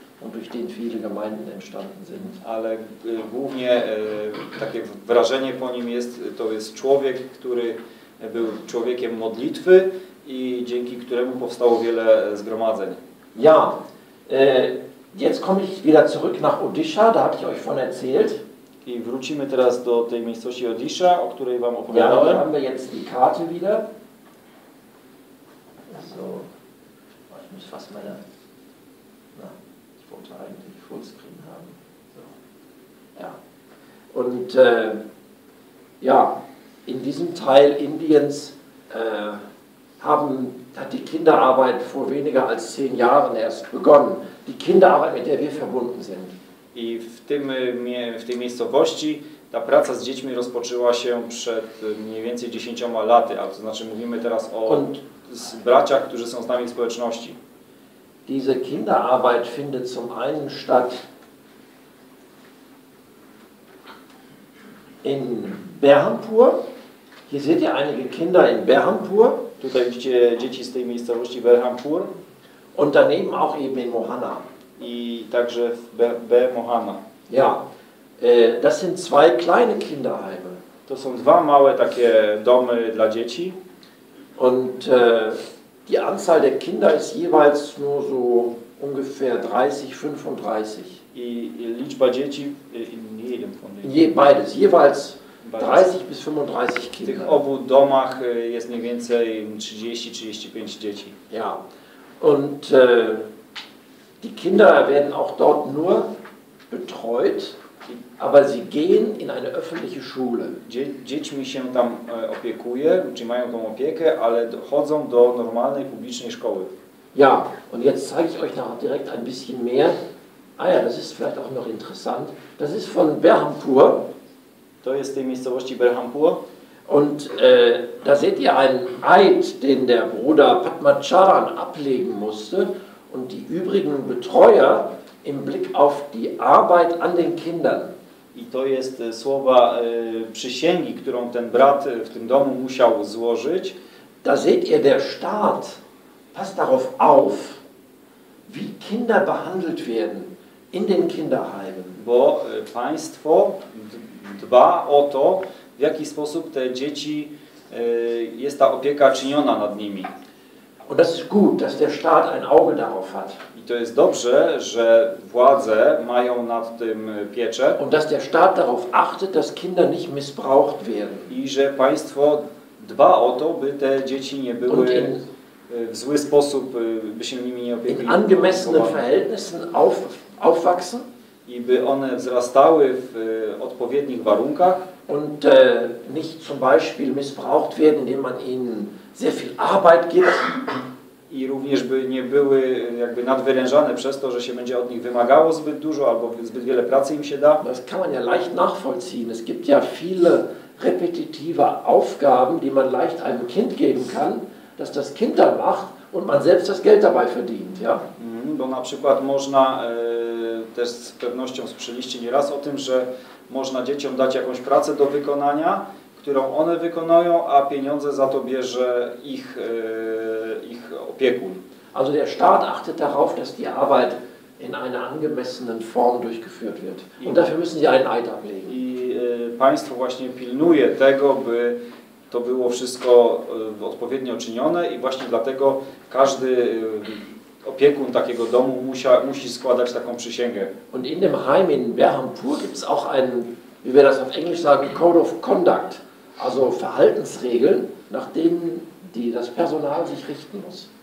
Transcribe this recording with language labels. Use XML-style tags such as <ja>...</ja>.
<de>Und durch den viele Gemeinden entstanden sind.</de> <pl>Ale głównie takie wrażenie po nim jest, to jest człowiek, który był człowiekiem modlitwy i dzięki któremu powstało wiele zgromadzeń.</pl> <de>Ja, jetzt komme ich wieder zurück nach Odisha, da habe ich euch von erzählt.</de> <pl>I wrócimy teraz do tej miejscowości Odisha, o której wam opowiadałem.</pl> <de>Ja, da haben wir jetzt die Karte wieder. So, ich muss fast meine... eigentlich Fullscreen haben. So. Ja. Und ja, in diesem Teil Indiens hat die Kinderarbeit vor weniger als 10 Jahren erst begonnen. Die Kinderarbeit, mit der wir verbunden sind.</de> <pl>I w tej miejscowości ta praca z dziećmi rozpoczęła się przed mniej więcej 10 laty, a to znaczy mówimy teraz o braciach, którzy są z nami w społeczności.</pl> <de>Diese Kinderarbeit findet zum einen statt in Berhampur. Hier seht ihr einige Kinder in Berhampur.</de> <pl>Tutaj widzicie dzieci z tej miejscowości Berhampur.</pl> <de>Und daneben auch eben in Mohana.</de> <pl>I także w Mohana.</pl> <de>Ja, das sind zwei kleine Kinderheime.</de> <pl>To są dwa małe takie domy dla dzieci.</pl> <de>Und die Anzahl der Kinder ist jeweils nur so ungefähr 30, 35.</de> <pl>Liczba dzieci</pl> <de>in jedem von denen. Beides, jeweils 30 bis 35 Kinder.</de> <pl>W tych obu domach jest mniej więcej 30-35 dzieci.</pl> <de>Ja, und die Kinder werden auch dort nur betreut, aber sie gehen in eine öffentliche Schule.</de> <pl>Dziećmi się tam opiekuje, czy mają tą opiekę, ale chodzą do normalnej publicznej szkoły.</pl> <de>Ja, und jetzt zeige ich euch noch direkt ein bisschen mehr. Ah ja, das ist vielleicht auch noch interessant. Das ist von Berhampur.</de> <pl>To jest tej miejscowości Berhampur.</pl> <de>Und da seht ihr einen Eid, den der Bruder Padmacharan ablegen musste und die übrigen Betreuer im Blick auf die Arbeit an den Kindern.</de> <pl>I to jest słowa przysięgi, którą ten brat w tym domu musiał złożyć.</pl> <de>Da seht ihr, der Staat passt darauf auf, wie Kinder behandelt werden in den Kinderheimen.</de> <pl>Bo państwo dba o to, w jaki sposób te dzieci, jest ta opieka czyniona nad nimi.</pl> <de>Und das ist gut, dass der Staat ein Auge darauf hat.</de> <pl>I to jest dobrze, że władze mają nad tym pieczę.</pl> <de>Und dass der Staat darauf achtet, dass Kinder nicht missbraucht werden.</de> <pl>I że państwo dba o to, by te dzieci nie były w zły sposób, by się nimi nie opiekowali.</pl> <de>In angemessenen Verhältnissen aufwachsen.</de> <pl>I by one wzrastały w odpowiednich warunkach.</pl> <de>Und nicht zum Beispiel missbraucht werden, indem man ihnen sehr viel Arbeit gibt.</de> <pl>I również by nie były jakby nadwyrężane przez to, że się będzie od nich wymagało zbyt dużo albo zbyt wiele pracy im się da.</pl> <de>Das kann man ja leicht nachvollziehen. Es gibt ja viele repetitive Aufgaben, die man leicht einem Kind geben kann, dass das Kind dann macht und man selbst das Geld dabei verdient. Ja? Mm-hmm.</de> <pl>innym, bo na przykład można, też z pewnością słyszeliście nieraz o tym, że można dzieciom dać jakąś pracę do wykonania, którą one wykonują, a pieniądze za to bierze ich, ich opiekun.</pl> <de>Also der Staat achtet darauf, dass die Arbeit in einer angemessenen Form durchgeführt wird. Und dafür müssen sie einen Eid ablegen.</de> <pl>I państwo właśnie pilnuje tego, by to było wszystko odpowiednio czynione i właśnie dlatego każdy opiekun takiego domu musi składać taką przysięgę.</pl> <de>Und in dem Heim in Berhampur gibt es auch einen, wie wir das auf Englisch sagen, Code of Conduct, also Verhaltensregeln, nach denen die das Personal sich richten muss.</de>